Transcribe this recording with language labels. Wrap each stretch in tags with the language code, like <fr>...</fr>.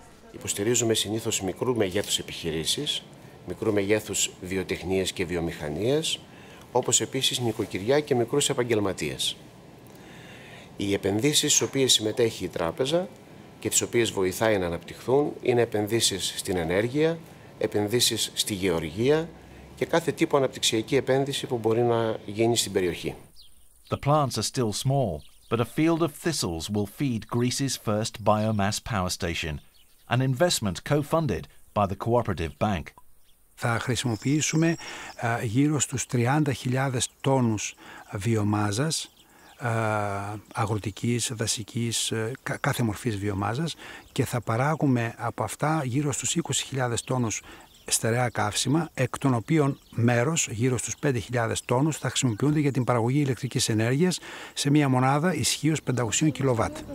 <el>Υποστηρίζουμε συνήθως μικρού μεγέθους επιχειρήσεις, μικρού μεγέθους βιοτεχνίες και βιομηχανίες, όπως επίσης νοικοκυριά και μικρούς επαγγελματίες. Οι επενδύσεις στις οποίες συμμετέχει η τράπεζα και τις οποίες βοηθάει να αναπτυχθούν είναι επενδύσεις στην ενέργεια, επενδύσεις στη γεωργία και κάθε τύπο αναπτυξιακή επένδυση που μπορεί να γίνει στην περιοχή.</el> <en>The plants are still small, but a field of thistles will feed Greece's first biomass power station, an investment co-funded by the cooperative bank.</en> <el>Θα χρησιμοποιήσουμε γύρω στους 30.000 τόνους βιομάζας, αγροτικής, δασικής, κάθε μορφής βιομάζας και θα παράγουμε από αυτά γύρω στους 20.000 τόνους στερεά καύσιμα, εκ των οποίων μέρος, γύρω στους 5.000 τόνους, θα χρησιμοποιούνται για την παραγωγή ηλεκτρικής ενέργειας σε μια μονάδα ισχύως 500 kW.</el>